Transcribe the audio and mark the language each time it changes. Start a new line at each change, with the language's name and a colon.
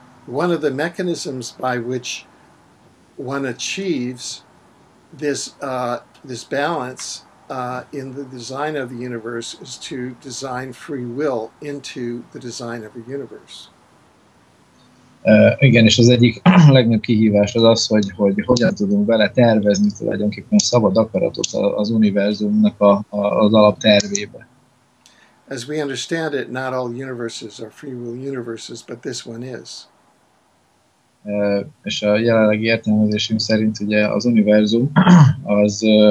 English: One of the mechanisms by which one achieves this balance in the design of the universe is to design free will into the design of the universe.
Hungarian: Igen, és az egyik legnagyobb kihívás az, hogy hogyan tudunk vele tervezni tulajdonképpen szabad akaratot az univerzumnak az alaptervébe.
English: As we understand it, not all universes are free will universes, but this one is.
Hungarian: És a jelenlegi értelmezésünk szerint ugye az univerzum az